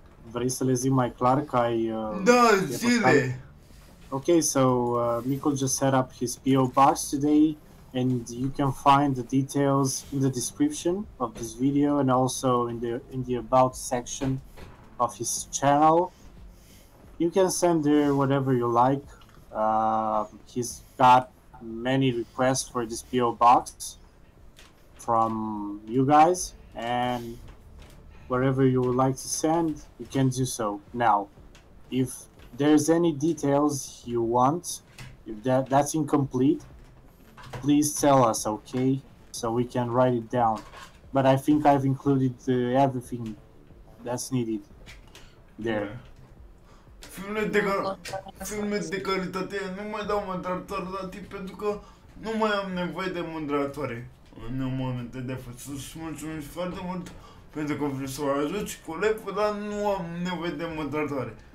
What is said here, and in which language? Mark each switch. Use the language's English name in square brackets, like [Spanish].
[Romanian] Vrei să le zic mai clar că ai... Da, zile! [English] Ok, so Mikul just set up his PO box today, and you can find the details in the description of this video and also in the about section of his channel. You can send there whatever you like. He's got many requests for this PO box from you guys, and wherever you would like to send, you can do so now. If there's any details you want, if that's incomplete, please tell us, okay, so we can write it down. But I think I've included everything that's needed there. Yeah. [Romanian] Filme de calitate, nu mai dau moderator, tati, pentru că nu mai am nevoie de moderatoare în momente de față. Îți mulțumesc foarte mult pentru că vreau să o ajuci cu live-ul, dar nu am nevoie de moderatoare.